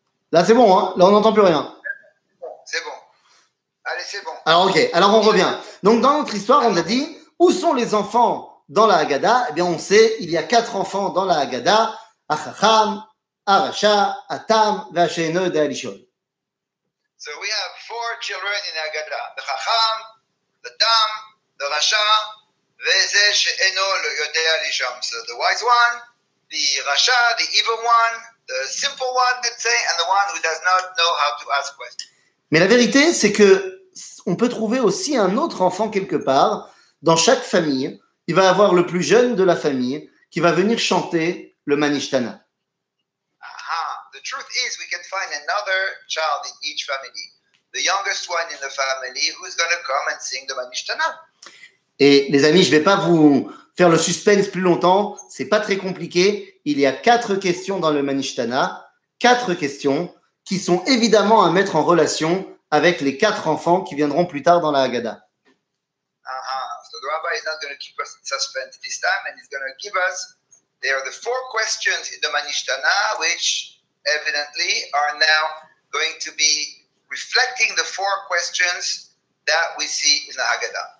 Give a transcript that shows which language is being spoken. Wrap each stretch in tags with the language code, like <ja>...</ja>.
<fr>Là, c'est bon, hein? Là, on n'entend plus rien. C'est bon. Allez, c'est bon. Alors, OK. Alors, on revient. Donc, dans notre histoire, on a dit, où sont les enfants dans la Haggadah? Eh bien, on sait, il y a quatre enfants dans la Haggadah.</fr> <he>Achacham, Aracha, Atam, Vacheno de Alishon.</he> <en>So we have four children in Haggadah. The Chacham, the Tam, the Racha,</en> <he>Veze She'eno le Yode Alisham.</he> <en>So the wise one, the Racha, the evil one, the simple one, let's say, and the one who does not know how to ask questions.</en> <fr>Mais la vérité, c'est qu'on peut trouver aussi un autre enfant quelque part. Dans chaque famille, il va avoir le plus jeune de la famille qui va venir chanter le Manishtana.</fr> <en>The truth is, we can find another child in each family, the youngest one in the family, who's going to come and sing the Manishtana.</en> <fr>Et les amis, je ne vais pas vous faire le suspense plus longtemps. C'est pas très compliqué. Il y a quatre questions dans le Manishtana, quatre questions qui sont évidemment à mettre en relation avec les quatre enfants qui viendront plus tard dans la Haggadah.</fr> <en>So the rabbi is not going to keep us in suspense this time, and he's going to give us. There are the four questions in the Manishtana, which evidently are now going to be reflecting the four questions that we see in the Haggadah.</en>